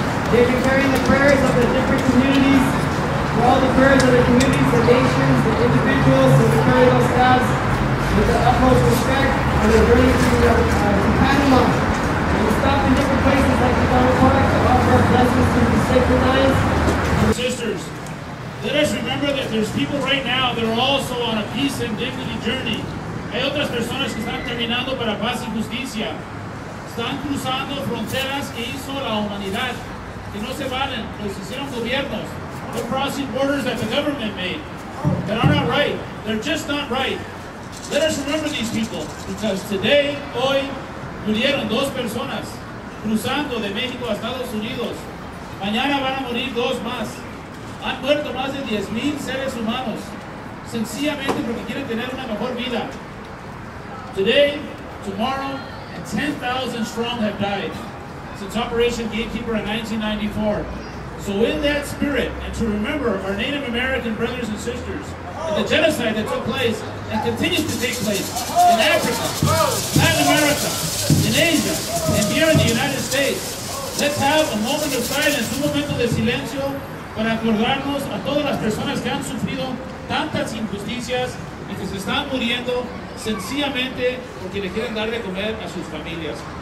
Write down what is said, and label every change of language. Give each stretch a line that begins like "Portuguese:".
English: They've been carrying the prayers of the different communities, for all the prayers of the communities, the nations, the individuals, the material staffs, with the utmost respect on their journey to Panama. And we stopped in different places like Chicano Park to offer our blessings to the sacred lines. Sisters, let us remember that there's people right now that are also on a peace and dignity journey.
Spanish: Hay otras personas que están caminando para paz y justicia. Están cruzando fronteras que hizo la humanidad, que no se valen, pues hicieron gobiernos.
English: They're crossing borders that the government made, that are not right. They're just not right. Let us remember these people, because today,
Spanish: hoy, murieron dos personas cruzando de México a Estados Unidos. Mañana van a morir dos más. Han muerto más de 10,000 seres humanos, sencillamente porque quieren tener una mejor vida.
English: Today, tomorrow, and 10,000 strong have died since Operation Gatekeeper in 1994. So in that spirit, and to remember our Native American brothers and sisters, and the genocide that took place and continues to take place in Africa, Latin America, in Asia, and here in the United States, let's have a moment of silence,
Spanish: un momento de silencio, para acordarnos a todas las personas que han sufrido tantas injusticias y que se están muriendo sencillamente porque le quieren dar de comer a sus familias.